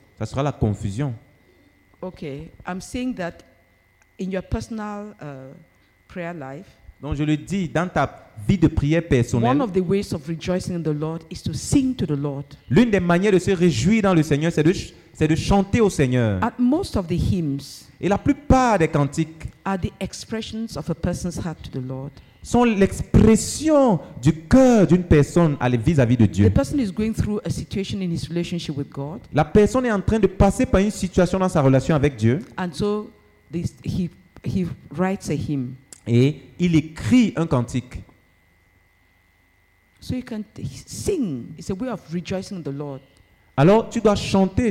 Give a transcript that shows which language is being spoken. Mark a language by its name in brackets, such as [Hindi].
[French] Ça sera la confusion. [English] OK, I'm saying that in your personal prayer life. [French] Donc je le dis dans ta vie de prière personnelle. [English] One of the ways of rejoicing in the Lord is to sing to the Lord. [French] L'une des manières de se réjouir dans le Seigneur, c'est de chanter au Seigneur. [English] At most of the hymns. [French] Et la plupart des cantiques [English] are the expressions of a person's heart to the Lord. [French] Sont l'expression du cœur d'une personne vis-à-vis de Dieu. [English] The person is going through a situation in his relationship with God. [French] La personne est en train de passer par une situation dans sa relation avec Dieu. [English] And so he writes a hymn. [French] Et il écrit un cantique. [English] So you can sing. It's a way of rejoicing in the Lord. [French] Alors tu dois chanter.